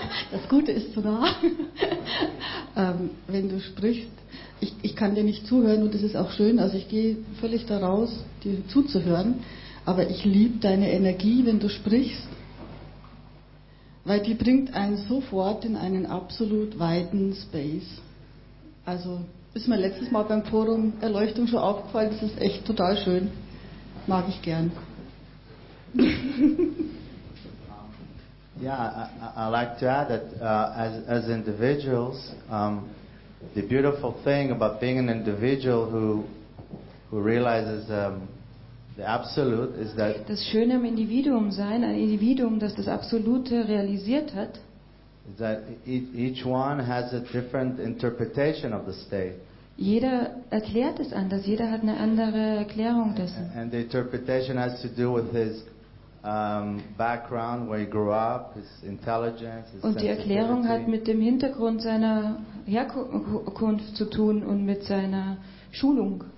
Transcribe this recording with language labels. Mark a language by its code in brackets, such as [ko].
[de] Das Gute ist sogar, wenn du sprichst, ich kann dir nicht zuhören und das ist auch schön, also ich gehe völlig da raus, dir zuzuhören, aber ich liebe deine Energie, wenn du sprichst, weil die bringt einen sofort in einen absolut weiten Space. Also ist mir letztes Mal beim Forum Erleuchtung schon aufgefallen, das ist echt total schön. Mag ich gern. [en] Yeah, I like to add that as individuals, the beautiful thing about being an individual who realizes The absolute is that [de] das Schöne am Individuum sein, ein Individuum, das das Absolute realisiert hat, [en] that each one has a different interpretation of the state. [de] Jeder erklärt es anders, jeder hat eine andere Erklärung dessen. [en] And the interpretation has to do with his background, where he grew up, his intelligence, his [de] und die Erklärung hat mit dem Hintergrund seiner Herkunft zu tun und mit seiner Schulung.